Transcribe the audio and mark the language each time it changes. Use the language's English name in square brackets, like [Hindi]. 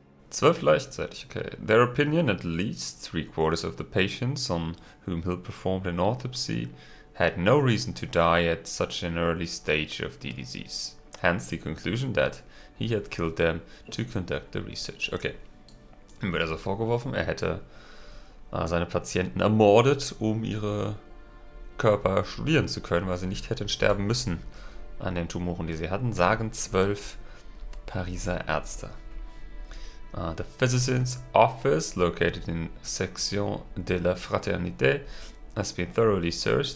[German] 12 gleichzeitig, [English] okay. Their opinion, at least 3/4 of the patients on whom Hill performed an autopsy, had no reason to die at such an early stage of the disease. Hence the conclusion that he had killed them to conduct the research. Okay. [German] Ihm wird also vorgeworfen, er hätte seine Patienten ermordet, um ihre Körper studieren zu können, weil sie nicht hätten sterben müssen an den Tumoren, die sie hatten, sagen 12 Pariser Ärzte. [English] The physician's office, located in Section de la Fraternité, has been thoroughly searched.